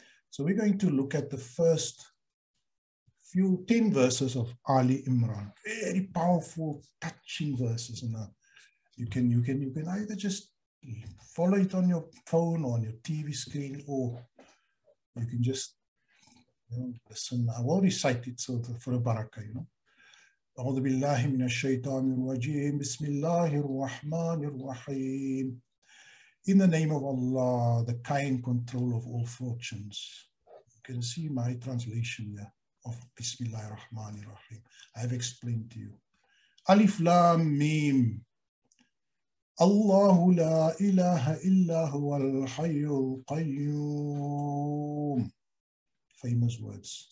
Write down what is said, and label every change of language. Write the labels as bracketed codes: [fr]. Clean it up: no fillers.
[en] So we're going to look at the first 10 verses of Ali Imran. Very powerful, touching verses. And you can either just follow it on your phone or on your TV screen, or you can just, you know, listen. I will recite it, so for a barakah, you know. [ar] أعوذ بالله من الشيطان الرجيم بسم الله الرحمن الرحيم. [en] In the name of Allah, the kind control of all fortunes. You can see my translation here of [ar] بسم الله الرحمن الرحيم. [en] I have explained to you. Alif Lam Mim. [ar] Allah la ilaha illa huwa al-hayyu al-qayyum. [en] Famous words.